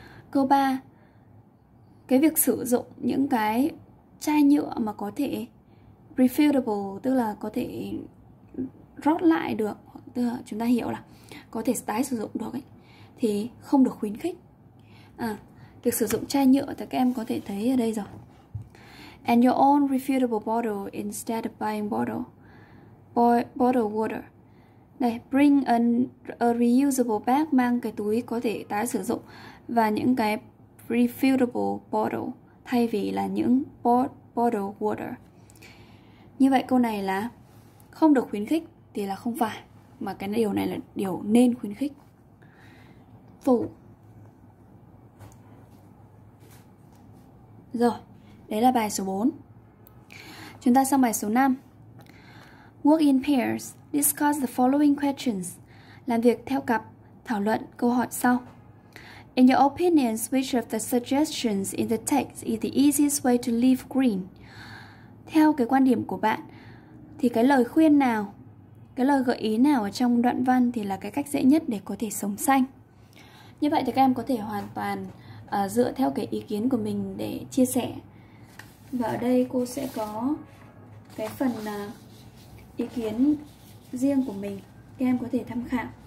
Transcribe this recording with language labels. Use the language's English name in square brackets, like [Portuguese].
[Vietnamese] Câu 3. Cái việc sử dụng những cái chai nhựa mà có thể refillable, tức là có thể rót lại được, tức là chúng ta hiểu là có thể tái sử dụng được ấy, thì không được khuyến khích. Việc sử dụng chai nhựa thì các em có thể thấy ở đây rồi. [English] And your own refillable bottle instead of buying bottle water. [Vietnamese] Đây, [English] bring a reusable bag, [Vietnamese] mang cái túi có thể tái sử dụng và những cái refillable bottle thay vì là những bottle water. Như vậy câu này là không được khuyến khích thì là không phải, mà cái điều này là điều nên khuyến khích. Phụ. Rồi, đấy là bài số 4. Chúng ta sang bài số 5. [English] Work in pairs, discuss the following questions. [Vietnamese] Làm việc theo cặp, thảo luận câu hỏi sau. [English] In your opinion, which of the suggestions in the text is the easiest way to live green? [Vietnamese] Theo cái quan điểm của bạn, thì cái lời khuyên nào, cái lời gợi ý nào ở trong đoạn văn thì là cái cách dễ nhất để có thể sống xanh? Như vậy thì các em có thể hoàn toàn dựa theo cái ý kiến của mình để chia sẻ. Và ở đây cô sẽ có cái phần ý kiến riêng của mình, các em có thể tham khảo.